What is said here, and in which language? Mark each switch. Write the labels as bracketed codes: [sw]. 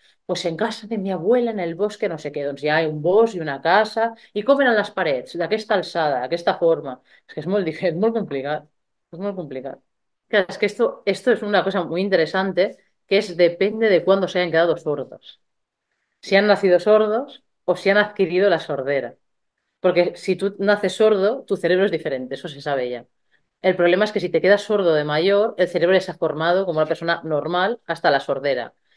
[es] Pues en casa de mi abuela, en el bosque, [ca] no sé què. Doncs hi ha un bosc i una casa. I com eren les parets? D'aquesta alçada, d'aquesta forma. És que és molt complicat. És molt complicat. Clar, és que [es] esto es una cosa muy interesante, que es depende de cuándo se hayan quedado sordos. Si han nacido sordos o si han adquirido la sordera. Porque si tú naces sordo, tu cerebro es diferente, eso se sabe ya. El problema es que si te quedas sordo de mayor, el cerebro se ha formado como una persona normal hasta la sordera.